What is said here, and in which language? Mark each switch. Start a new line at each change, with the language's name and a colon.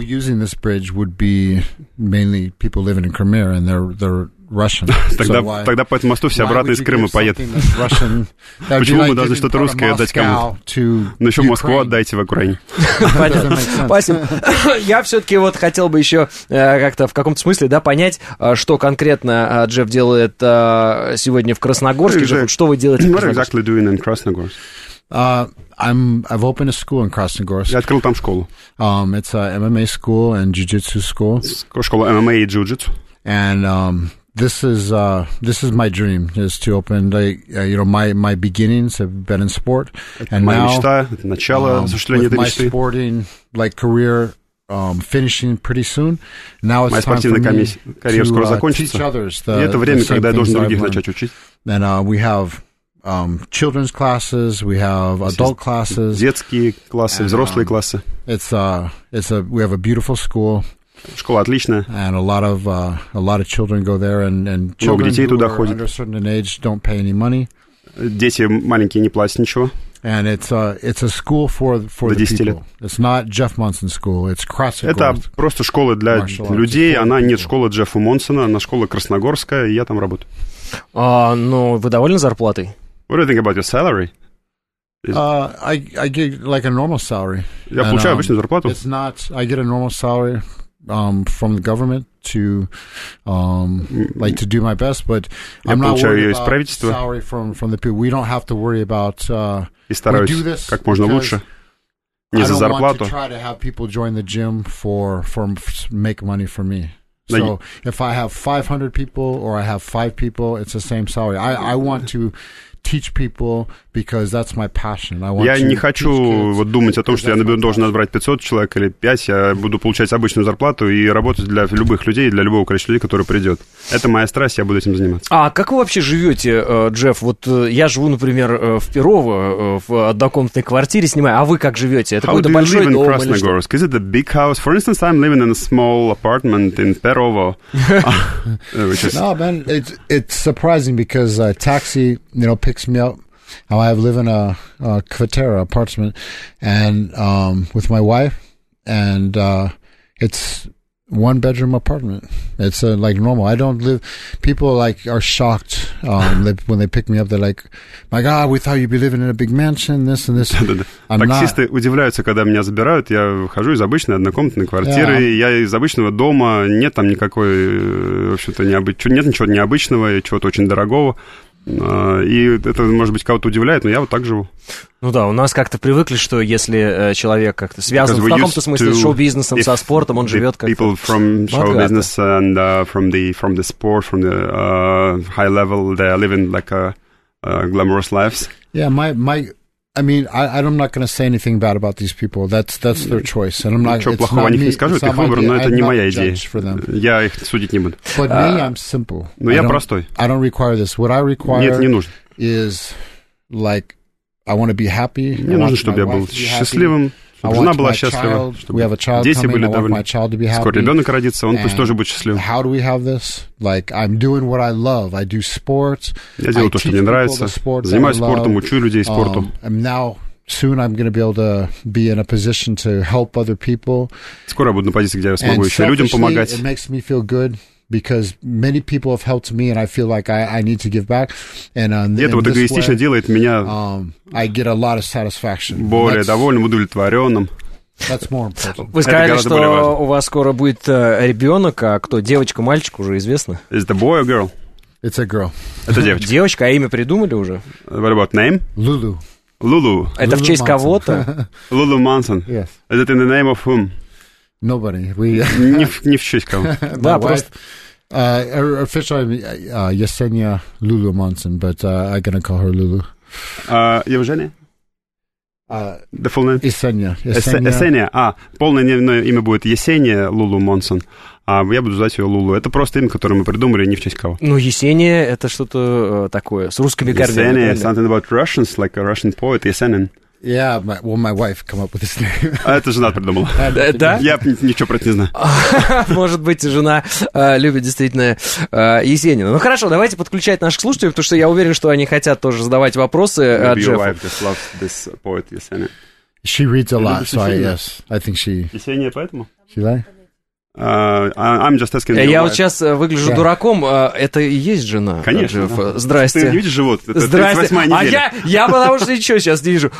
English: Because the people using this bridge would be mainly people living in Crimea, and they're Russian.
Russian: Тогда по этому мосту все обратно из Крыма поедут. Почему мы должны что-то русское отдать кому-то? Ну еще Москву отдайте в Украине. Спасибо. Я все-таки вот хотел бы еще как-то в каком-то смысле понять, что конкретно Джефф делает сегодня в Красногорске. Что вы делаете в Красногорске?
English: What exactly doing in Krasnogorsk? I've opened a school in Krasnogorsk.
Russian: Я открыл там школу.
English: It's a MMA school and jiu-jitsu school.
Russian: Школа MMA и jiu-jitsu.
English: And this is my dream is to open my beginnings have been in sport and
Russian: моя мечта, это начало осуществления этой мечты.
English: My sporting like career finishing pretty soon. Now it's
Russian: моя спортивная
English: time for me
Russian: карьера скоро закончится. И это время, когда я должен других начать учить.
English: And we have children's classes, we have adult classes.
Russian: Детские классы, and, взрослые классы.
English: It's a we have a beautiful school.
Russian: Школа отличная.
English: And a lot of children go there and
Russian: children детей туда ходят.
English: Under a certain age don't pay any money.
Russian: Дети маленькие не платят ничего.
English: And it's a school for the people.
Russian: Лет.
English: It's not Jeff Monson School. It's Krasnogorsk.
Russian: Это просто школа для людей. Она не школа Джеффа Монсона, она школа Красногорская, и я там работаю. Ну, вы довольны зарплатой?
English: What do you think about your salary? I get like a normal salary. Я получаю обычную зарплату. It's not. I get a normal salary. From the government to like to do my best, but I'm not worried about salary from the people. We don't have to worry about.
Russian: И стараюсь
English: we do this
Russian: как можно лучше. Не за зарплату.
English: I don't want to try to have people join the gym for make money for me. So if I have 500 people or I have 5 people, it's the same salary. I want to. Teach people because that's my passion. I want
Russian: я не хочу вот думать о том, что я должен отбрать 500 человек или 5. Я буду получать обычную зарплату и работать для любых людей, для любого количества людей, которые придет. Это моя страсть, я буду этим заниматься. А как вы вообще живете, Джефф? Вот я живу, например, в Перово, в однокомнатной квартире снимаю. А вы как живете? Это какой-то большой дом?
English: How do you live in Krasnogorsk? Is it a big house? For instance, I'm living in a small apartment in Perovo. No, man, it's surprising because taxi, you know, picks me up. I live in a Kvatera apartment and with my wife and it's one bedroom apartment. It's like normal. I don't live. People like are shocked when they pick me up. They're like, "My God, we thought you'd be living in a big mansion." This and this.
Russian: Таксисты удивляются, когда меня забирают. Я выхожу из обычной однокомнатной квартиры. Я из обычного дома. Нет там никакой, в общем-то, нет ничего необычного и чего-то очень дорогого. И это, может быть, кого-то удивляет, но я вот так живу. Ну да, у нас как-то привыкли, что если человек как-то связан в каком-то смысле с шоу-бизнесом, со спортом, он живет как-то...
English: People from show-business and from the sport, from the high level, they are living like glamorous lives. Yeah, I'm not going to say anything bad about these people. That's their choice. And I'm not,
Russian: ничего плохого о них не скажу, это их выбор, но это не моя идея. Я их судить не буду.
English: But me, I'm simple.
Russian: Но я простой.
English: I don't require this. What I require
Russian: нет, не нужно.
English: Is like, I want to be happy.
Russian: Мне нужно, чтобы я был счастливым, чтобы жена была счастлива, чтобы дети были довольны.
English: We have a child coming, I want my child to be happy.
Russian: Скоро ребенок родится, он пусть тоже будет счастливым.
English: How do we have this? Like, I'm doing what I love. I do sports.
Russian: Я делаю то, что мне нравится. Занимаюсь спортом, учу людей спорту.
English: Now, soon I'm going to be able to be in a position to help other people.
Russian: Скоро я буду на позиции, где я смогу еще людям помогать.
English: It makes me feel good. Because many people have helped me, and I feel like I need to give back. And
Russian: это вот эгоистично делает меня.
English: I get a lot of satisfaction.
Russian: Более довольным, удовлетворенным.
English: That's more important.
Russian: Вы сказали, что у вас скоро будет ребенок, а кто, девочка, мальчик уже известно?
English: Is it a boy or girl? It's a girl.
Russian: Это девочка. Девочка, а имя придумали уже?
English: What about name? Lulu. Lulu.
Russian: Это в честь кого-то?
English: Lulu Manson. Yes. Is it in the name of whom? Nobody.
Russian: Не в честь кого. Да, просто...
English: Официально, Ясения Лулу Монсон, but I'm going to call her Lulu.
Russian: Евгения?
English: The full name?
Russian: Ясения. Ясения. Полное имя будет Ясения Лулу Монсон. А я буду звать ее Лулу. Это просто имя, которое мы придумали, не в честь кого. Ну, Ясения — это что-то такое с русскими корнями.
English: Ясения — something about Russians, like a Russian poet, Ясенин. Yeah, my wife come up with this name.
Russian: А это жена придумала. Да? Я ничего про это не знаю. Может быть, жена любит действительно Есенина. Ну хорошо, давайте подключать наших слушателей, потому что я уверен, что они хотят тоже задавать вопросы Джеффу.
English: Your wife just loves this poet Есенин. She reads a lot, so yes, I think she...
Russian: Есения поэтому?
English: She like? I'm just asking.
Russian: Я вот сейчас выгляжу дураком. Это и есть жена. Конечно. Здрасте. Ты не видишь живот? Здрасте. А я потому что ничего сейчас не вижу.